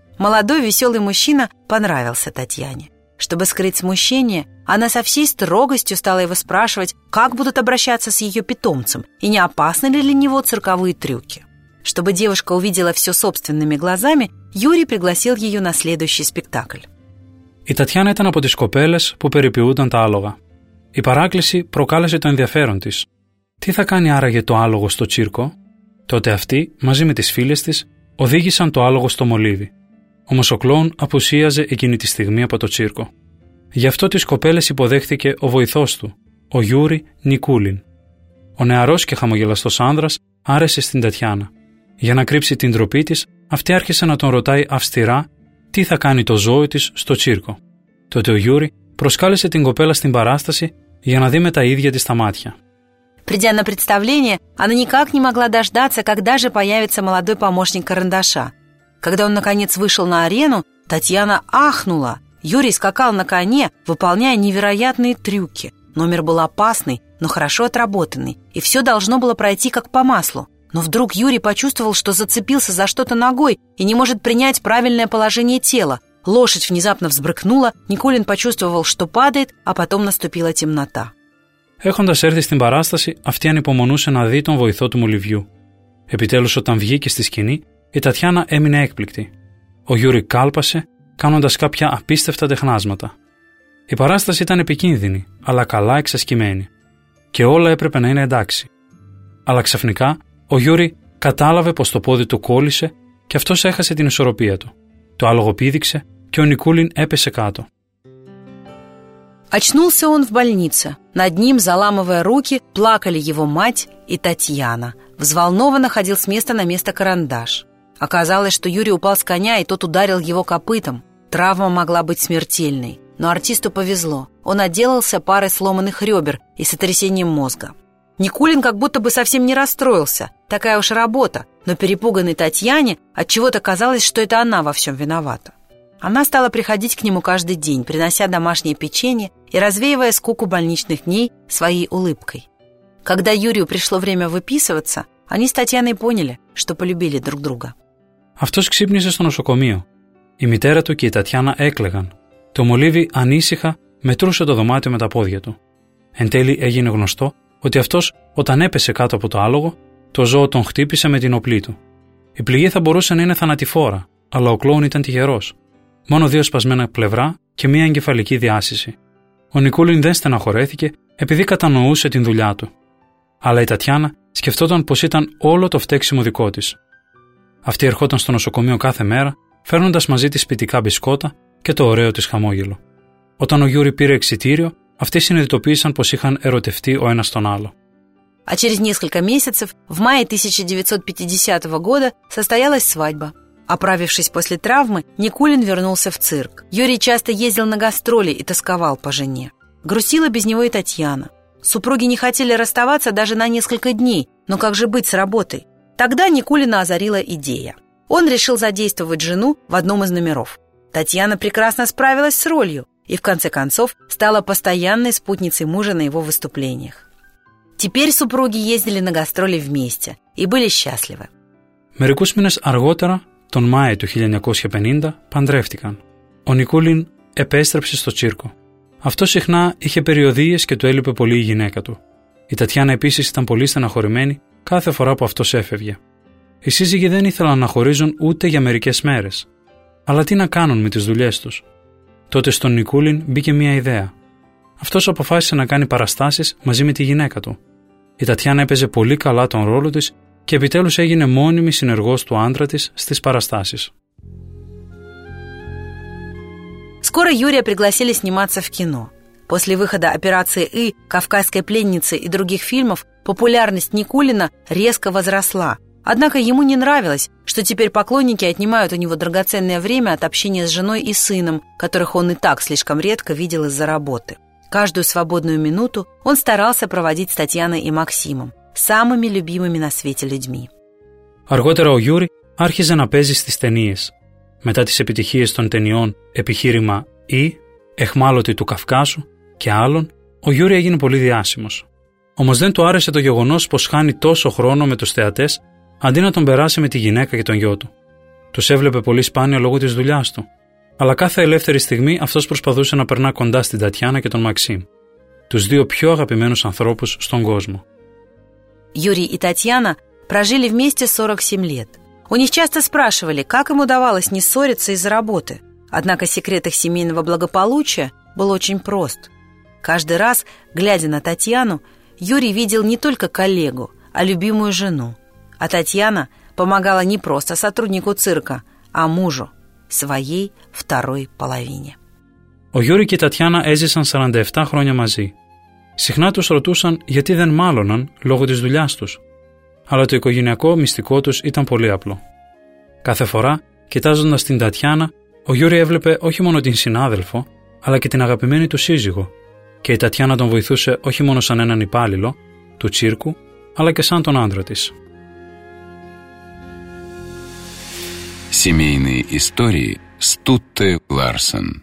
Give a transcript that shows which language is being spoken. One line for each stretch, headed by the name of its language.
Russian: Молодой веселый мужчина понравился Татьяне. Чтобы скрыть смущение, она со всей строгостью стала его спрашивать, как будут обращаться с ее питомцем и не опасны ли для него цирковые трюки. Чтобы девушка увидела все собственными глазами, Юрий пригласил ее на следующий спектакль.
Greek: Η Татьяна ήταν από τις κοπέλες που περιποιούνταν τα άλογα. Η παράκληση προκάλεσε το ενδιαφέρον της. Τι θα κάνει άραγε το άλογο στο τσίρκο? Τότε αυτή, μαζί με τις φίλες της, οδήγησαν το άλογο στο Μολύβι. Όμως ο κλόουν απουσίαζε εκείνη τη στιγμή από το τσίρκο. Γι' αυτό τις κοπέλες υποδέχθηκε ο βοηθός του, ο Γιούρι Νικούλιν. Ο νεαρός και χαμογελαστός άνδρας άρεσε στην Τατιάνα. Για να κρύψει την ντροπή της, αυτή άρχισε να τον ρωτάει αυστηρά τι θα κάνει το ζώο της στο τσίρκο. Τότε ο Γιούρι προσκάλεσε την κοπέλα στην παράσταση για να δει με τα ίδια της τα μάτια.
Russian: Придя на представление, она никак не могла дождаться, когда же появится молодой помощник Карандаша. Когда он, наконец, вышел на арену, Татьяна ахнула. Юрий скакал на коне, выполняя невероятные трюки. Номер был опасный, но хорошо отработанный, и все должно было пройти как по маслу. Но вдруг Юрий почувствовал, что зацепился за что-то ногой и не может принять правильное положение тела. Лошадь внезапно взбрыкнула, Никулин почувствовал, что падает, а потом наступила темнота.
Greek: Έχοντας έρθει στην παράσταση, αυτή ανυπομονούσε να δει τον βοηθό του Μολυβιού. Επιτέλους, όταν βγήκε στη σκηνή, η Τατιάνα έμεινε έκπληκτη. Ο Γιούρι κάλπασε, κάνοντας κάποια απίστευτα τεχνάσματα. Η παράσταση ήταν επικίνδυνη, αλλά καλά εξασκημένη. Και όλα έπρεπε να είναι εντάξει. Αλλά ξαφνικά, ο Γιούρι κατάλαβε πως το πόδι του κόλλησε και αυτός έχασε την ισορροπία του. Το άλογο πήδηξε και ο Νικούλιν έπεσε κάτω.
Russian: Очнулся он в больнице. Над ним, заламывая руки, плакали его мать и Татьяна. Взволнованно ходил с места на место Карандаш. Оказалось, что Юрий упал с коня, и тот ударил его копытом. Травма могла быть смертельной. Но артисту повезло. Он отделался парой сломанных ребер и сотрясением мозга. Никулин как будто бы совсем не расстроился. Такая уж работа. Но перепуганной Татьяне отчего-то казалось, что это она во всем виновата. Она стала приходить к нему каждый день, принося домашнее печенье и развеивая скуку больничных дней своей улыбкой. Когда Юрию пришло время выписываться, они с Татьяной поняли, что полюбили друг друга.
Greek: Αυτός ξύπνησε στο νοσοκομείο. Η μητέρα του και η Τατιάνα έκλαιγαν. Το Μολύβι ανήσυχα μετρούσε το δωμάτιο με τα πόδια του. Εν τέλει έγινε γνωστό ότι αυτός όταν έπεσε κάτω από το άλογο, το ζώο τον χτύπησε με την οπλή του. Η πληγή θα μπορούσε να είναι θανατηφόρα, αλλά ο κλόουν ήταν τυχερός. Μόνο δύο σπασμένα πλευρά και μία εγκεφαλική διάσηση. Ο Νικούλιν δεν στεναχωρέθηκε επειδή κατανοούσε την δουλειά του. Αλλά η Τατιάνα σκεφτόταν πως ήταν όλο το φταίξιμο δικό της. Αυτή ερχόταν στο νοσοκομείο κάθε μέρα, φέρνοντας μαζί της σπιτικά μπισκότα και το ωραίο της χαμόγελο. Όταν ο Γιούρι πήρε εξιτήριο, αυτοί συνειδητοποίησαν πως είχαν ερωτευτεί ο ένας τον άλλο.
Russian: А через несколько месяцев, в мае 1950 года, состоялась свадьба. Оправившись после травмы, Никулин вернулся в цирк. Юрий часто ездил на гастроли и тосковал по жене. Грустила без него и Татьяна. Супруги не хотели расставаться даже на несколько дней, но как же быть с работой? Тогда Никулина озарила идея. Он решил задействовать жену в одном из номеров. Татьяна прекрасно справилась с ролью и, в конце концов, стала постоянной спутницей мужа на его выступлениях. Теперь супруги ездили на гастроли вместе и были счастливы.
Greek: Мерикус минес арготера, тон мае του 1950, παντρεύτηκαν. Ο Νικούλιν επέστρεψε στο τσίρκο. Αυτό συχνά είχε περιοδίες και του έλειπε πολύ η γυναίκα του. Η Τατιάνα επίσης ήταν πολύ στεναχωρημένη κάθε φορά που αυτός έφευγε. Οι σύζυγοι δεν ήθελαν να χωρίζουν ούτε για μερικές μέρες. Αλλά τι να κάνουν με τις δουλειές τους. Τότε στον Νικούλιν μπήκε μια ιδέα. Αυτός αποφάσισε να κάνει παραστάσεις μαζί με τη γυναίκα του. Η Τατιάνα έπαιζε πολύ καλά τον ρόλο της και επιτέλους έγινε μόνιμη συνεργός του άντρα της στις παραστάσεις.
Russian: Скоро Юрия пригласили сниматься в кино. После выхода «Операции И», «Кавказской пленницы» и других фильмов популярность Никулина резко возросла. Однако ему не нравилось, что теперь поклонники отнимают у него драгоценное время от общения с женой и сыном, которых он и так слишком редко видел из-за работы. Каждую свободную минуту он старался проводить с Татьяной и Максимом, самыми любимыми на свете людьми.
Greek: Аргότερα ο Юрий άρχιζε να παίζει στις ταινίες. Μετά τις επιτυχίες των ταινιών «Επιχείρημα Ι», «Εχμάλωτη του Καυκάσου» και άλλων, ο Γιούρι έγινε πολύ διάσημος. Όμως δεν του άρεσε το γεγονός πως χάνει τόσο χρόνο με τους θεατές, αντί να τον περάσει με τη γυναίκα και τον γιο του. Τους έβλεπε πολύ σπάνια λόγω της δουλειάς του. Αλλά κάθε ελεύθερη στιγμή αυτός προσπαθούσε να περνά κοντά στην Τατιάνα και τον Μαξίμ, τους δύο πιο αγαπημένους ανθρώπους στον κόσμο.
Russian: Γιούρι και Τατιάνα прожили вместе 47 лет. У них часто спрашивали, как им удавалось не ссориться из-за работы. Однако секрет их семейного благополучия был очень прост. Каждый раз, глядя на Татьяну, Юрий видел не только коллегу, а любимую жену. А Татьяна помогала не просто сотруднику цирка, а мужу, своей второй половине.
Greek: Ο Юрий και η Татьяна έζησαν 47 χρόνια μαζί. Συχνά τους ρωτούσαν γιατί δεν μάλωναν λόγω της δουλειάς τους. Αλλά το οικογενειακό μυστικό τους ήταν πολύ απλό. Κάθε φορά, κοιτάζοντας την Τατιάνα, ο Γιούρι έβλεπε όχι μόνο την συνάδελφο, αλλά και την αγαπημένη του σύζυγο. Και η Τατιάνα τον βοηθούσε όχι μόνο σαν έναν υπάλληλο του τσίρκου, αλλά και σαν τον άντρα της.
Russian: Семейные истории Стутте Ларсен.